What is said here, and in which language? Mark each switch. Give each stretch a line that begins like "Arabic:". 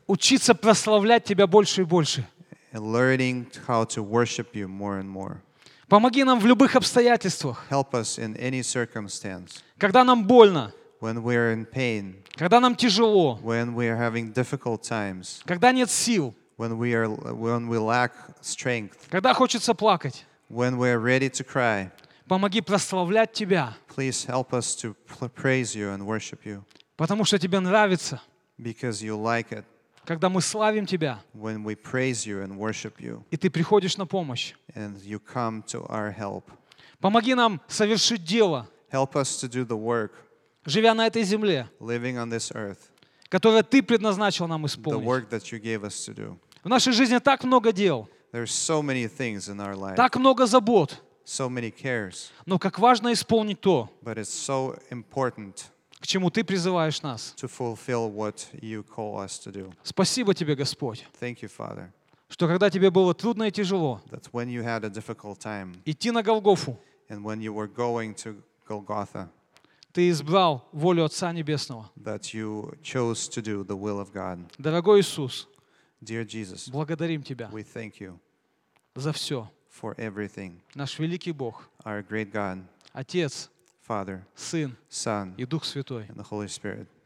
Russian: учиться прославлять Тебя больше и больше,
English: learning how to worship you more and more.
Russian: Помоги нам в любых обстоятельствах.
English: Help us in any circumstance.
Russian: Когда нам больно.
English: When we are in pain.
Russian: Когда нам тяжело.
English: When we are having difficult times.
Russian: Когда нет сил.
English: When we lack strength.
Russian: Когда хочется плакать.
English: When we are ready to cry.
Russian: Помоги прославлять Тебя.
English: Please help us to praise you and worship you.
Russian: Потому что Тебе нравится.
English: Because you like it.
Russian: Когда мы славим Тебя,
English: when we praise you and worship you,
Russian: и Ты приходишь на помощь,
English: and you come to our help.
Russian: Помоги нам совершить дело,
English: help us to do the work,
Russian: живя на этой земле,
English: living on this earth,
Russian: которое Ты предназначил нам исполнить,
English: the work that you gave us to do.
Russian: В нашей жизни так много дел,
English: there are so many things in our life,
Russian: так много забот,
English: so many cares.
Russian: Но как важно исполнить то,
English: but it's so important.
Russian: К чему Ты призываешь нас.
English: To fulfill what you call us to do.
Russian: Спасибо Тебе, Господь,
English: Thank you, Father,
Russian: что когда Тебе было трудно и тяжело
English: that when you had a difficult time,
Russian: идти на Голгофу,
English: and when you were going to Golgotha,
Russian: Ты избрал волю Отца Небесного.
English: That you chose to do the will of God.
Russian: Дорогой Иисус,
English: Dear Jesus,
Russian: благодарим Тебя
English: we thank you
Russian: за все.
English: For everything.
Russian: Наш великий Бог,
English: Our great God,
Russian: Отец,
English: Father,
Russian: Сын,
English: Son,
Russian: и Дух Святой.
English: And the Holy Spirit.